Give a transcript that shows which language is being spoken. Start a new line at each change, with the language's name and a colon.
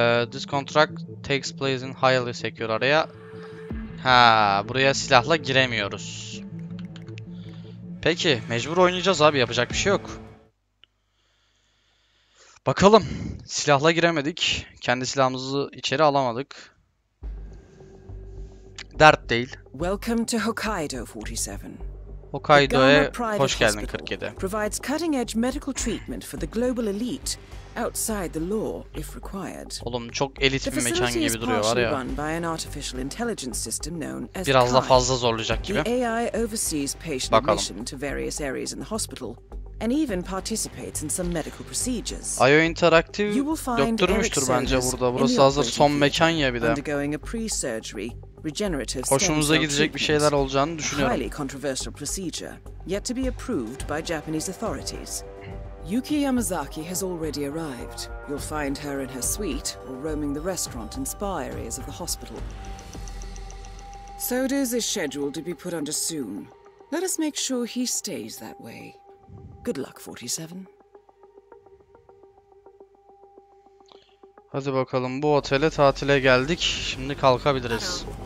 English: This contract takes place in highly secure area.
Turkish: Ha, buraya silahla giremiyoruz. Peki, mecbur oynayacağız abi, yapacak bir şey yok. Bakalım. Silahla giremedik. Kendi silahımızı içeri alamadık. Dert değil.
English: Welcome to Hokkaido 47.
Turkish: Hokkaido'ya hoş geldin 47.
English: Provides cutting edge medical treatment for the global elite outside the law if required.
Turkish: Oğlum çok elit bir mekan gibi duruyor var ya.
English: Run by an artificial intelligence system known as
Turkish: Biraz da fazla zorlayacak gibi.
English: The AI oversees patient admission to various areas in the hospital and even participates in some medical procedures.
Turkish: IO Interactive doktormuştur bence burada. Burası hazır son mekan ya bir de.
English: Undergoing a pre-surgery regenerative stem cell treatment.
Turkish: Hoşumuza gidecek bir şeyler olacağını düşünüyorum.
English: Highly controversial procedure, yet to be approved by Japanese authorities. Yuki Yamazaki has already arrived. You'll find her in her suite or roaming the restaurant and spa areas of the hospital. Soders is scheduled to be put under soon. Let us make sure he stays that way. Good luck, 47.
Turkish: Hadi bakalım bu otele tatile geldik. Şimdi kalkabiliriz.